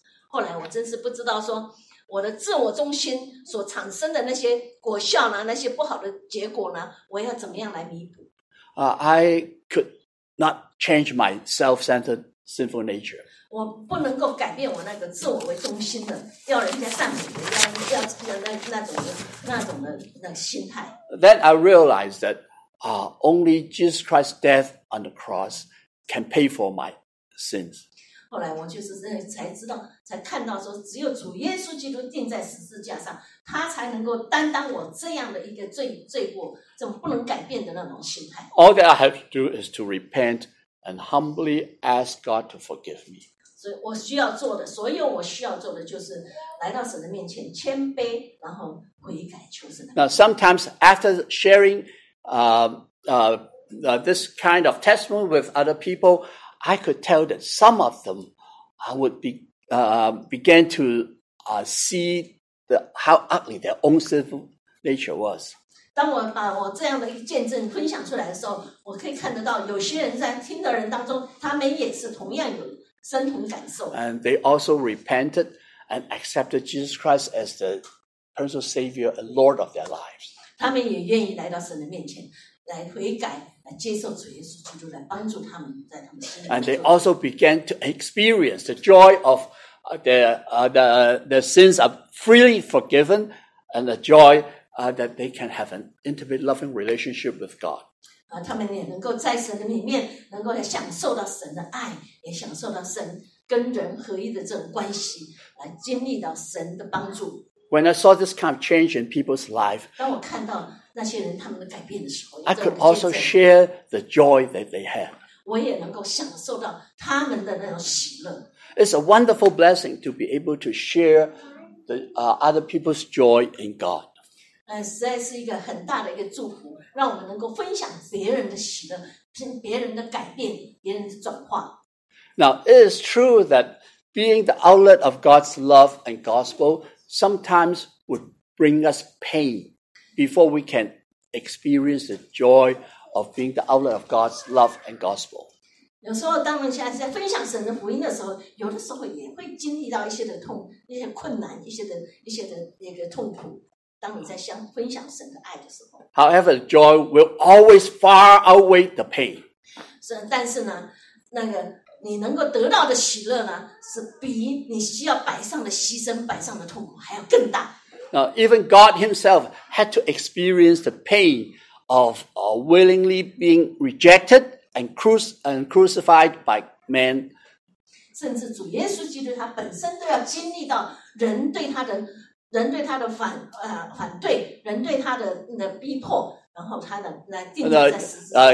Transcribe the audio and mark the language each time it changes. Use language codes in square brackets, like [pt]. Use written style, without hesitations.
[zh] 后来我真是不知道说我的自我中心所产生的那些果效呢，那些不好的结果呢，我要怎么样来弥补？ [en] I could not change my self-centered sinful nature. [zh] 我不能够改变我那个自我为中心的，要人家赞美，要那种的心态。 [en] Then I realized that only Jesus Christ's death on the cross can pay for my sins. [zh] 后来我就是才知道，才看到说，只有主耶稣基督钉在十字架上，他才能够担当我这样的一个罪过，这种不能改变的那种心态。 [en] All that I have to do is to repent and humbly ask God to forgive me. [zh] 所以我需要做的，所有我需要做的就是来到神的面前，谦卑，然后悔改，求神。 [en] Now sometimes after sharing, this kind of testimony with other people, I could tell that some of them would begin to see how ugly their own sinful nature was. [zh] 当我把我这样的一个见证分享出来的时候，我可以看得到有些人在听的人当中，他们也是同样有深同感受。 [en] And they also repented and accepted Jesus Christ as the personal Savior and Lord of their lives. [zh] 他们也愿意来到神的面前来悔改。接受主耶稣基督来帮助他们，在他们心里。 [en] And they also began to experience the joy of their sins are freely forgiven, and the joy that they can have an intimate, loving relationship with God. [zh] 他们也能够在神的里面，能够享受到神的爱，也享受到神跟人合一的这种关系，来经历到神的帮助。 [en] When I saw this kind of change in people's life, [zh] 当我看到那些人他们的改变的时候， [en] I could also share the joy that they have. [zh] 我也能够享受到他们的那种喜乐。 [en] It's a wonderful blessing to be able to share the other people's joy in God. [zh] 实在是一个很大的一个祝福，让我们能够分享别人的喜乐，听别人的改变，别人的转化。 [en] Now, it is true that being the outlet of God's love and gospel sometimes would bring us pain before we can experience the joy of being the outlet of God's love and gospel. [zh] 有时候当我们现在在分享神的福音的时候，有的时候也会经历到一些的痛，一些困难，一些的那个痛苦。当你在分享神的爱的时候， [en] However, joy will always far outweigh the pain. [zh] 但是呢，那个你能够得到的喜乐呢，是比你需要摆上的牺牲、摆上的痛苦还要更大。 [en] Now, even God Himself had to experience the pain of willingly being rejected and crucified by man. [zh] 甚至主耶稣基督他本身都要经历到人对他的反对，人对他的那逼迫，然后他的来钉在十字架。